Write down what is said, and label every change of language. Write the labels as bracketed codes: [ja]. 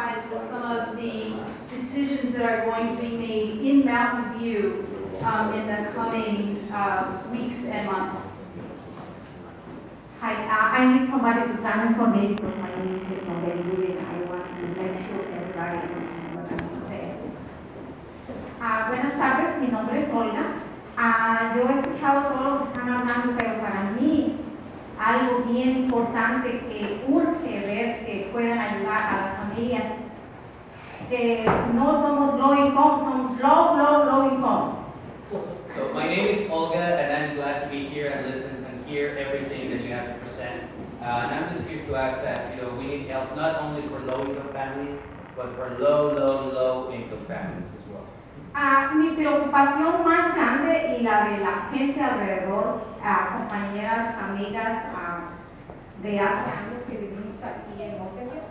[en] with some of the decisions that are going to be made in Mountain View in the coming weeks and months. Hi, I need somebody to stand in for me because my English is not very good and I want to make sure everybody knows what I'm going to say. [es] Buenas tardes, mi nombre es Olga. Yo he escuchado todos los que están hablando, pero para mí algo bien importante que urge ver que puedan ayudar a las familias que no somos low income, somos low income. [en] So my name is Olga and I'm glad to be here and listen and hear everything that you have to present. And I'm just here to ask that, you know, we need help not only for low income families, but for low income families as well. [es] Mi preocupación más grande y la de la gente alrededor, compañeras, amigas, de hace años que vivimos aquí en Montevideo.